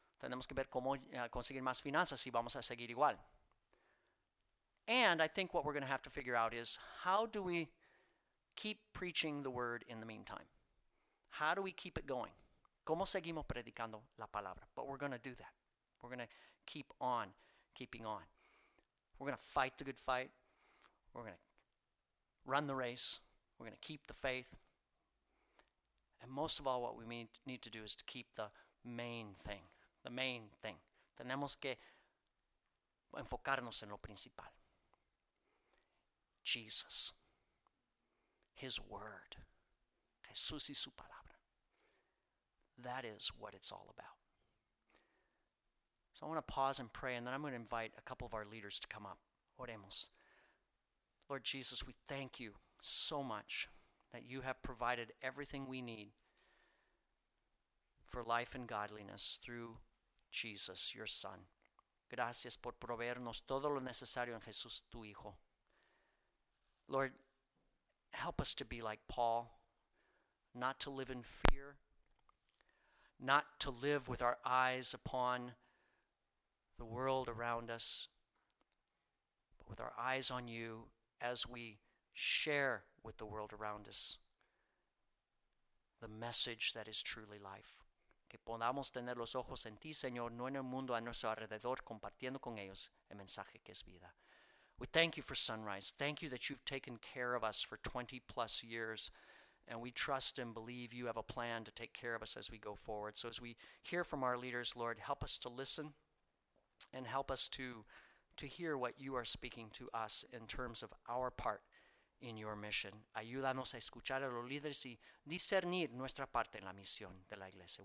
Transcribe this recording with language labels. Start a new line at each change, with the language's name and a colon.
Spanish: Tenemos que ver cómo conseguir más finanzas si vamos a seguir igual.
English: And I think what we're going to have to figure out is, how do we keep preaching the word in the meantime? How do we keep it going?
Spanish: ¿Cómo seguimos predicando la palabra?
English: But we're going to do that. We're going to keep on keeping on. We're going to fight the good fight. We're going to run the race. We're going to keep the faith. And most of all, what we need to do is to keep the main thing. The main thing.
Spanish: Tenemos que enfocarnos en lo principal.
English: Jesus, his word,
Spanish: Jesús y su palabra.
English: That is what it's all about. So I want to pause and pray, and then I'm going to invite a couple of our leaders to come up.
Spanish: Oremos.
English: Lord Jesus, we thank you so much that you have provided everything we need for life and godliness through Jesus, your son.
Spanish: Gracias por proveernos todo lo necesario en Jesús, tu hijo.
English: Lord, help us to be like Paul, not to live in fear, not to live with our eyes upon the world around us, but with our eyes on you as we share with the world around us the message that is truly life.
Spanish: Que podamos tener los ojos en ti, Señor, no en el mundo a nuestro alrededor, compartiendo con ellos el mensaje que es vida.
English: We thank you for Sunrise. Thank you that you've taken care of us for 20-plus years, and we trust and believe you have a plan to take care of us as we go forward. So as we hear from our leaders, Lord, help us to listen and help us to hear what you are speaking to us in terms of our part in your mission.
Spanish: Ayúdanos a escuchar a los líderes y discernir nuestra parte en la misión de la iglesia.